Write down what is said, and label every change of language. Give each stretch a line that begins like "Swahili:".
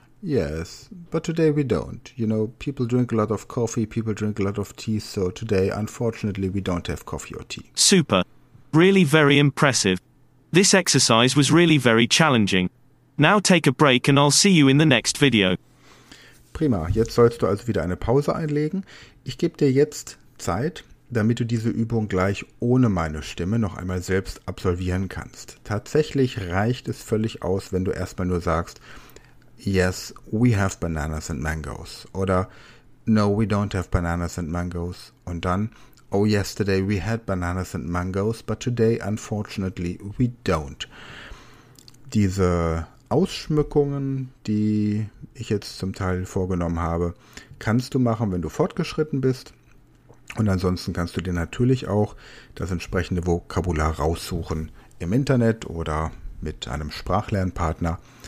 English: Yes, but today we don't. You know, people drink a lot of coffee, people drink a lot of tea, so today, unfortunately, we don't have coffee or tea. Super. Really very impressive. This exercise was really very challenging. Now take a break and I'll see you in the next video.
German: Prima, jetzt sollst du also wieder eine Pause einlegen. Ich gebe dir jetzt Zeit, damit du diese Übung gleich ohne meine Stimme noch einmal selbst absolvieren kannst. Tatsächlich reicht es völlig aus, wenn du erstmal nur sagst,
English: yes, we have bananas and mangoes.
German: Oder
English: no, we don't have bananas and mangoes.
German: Und dann,
English: Oh, yesterday we had bananas and mangoes, but today unfortunately we don't.
German: Diese Ausschmückungen, die ich jetzt zum Teil vorgenommen habe, kannst du machen, wenn du fortgeschritten bist. Und ansonsten kannst du dir natürlich auch das entsprechende Vokabular raussuchen im Internet oder mit einem Sprachlernpartner.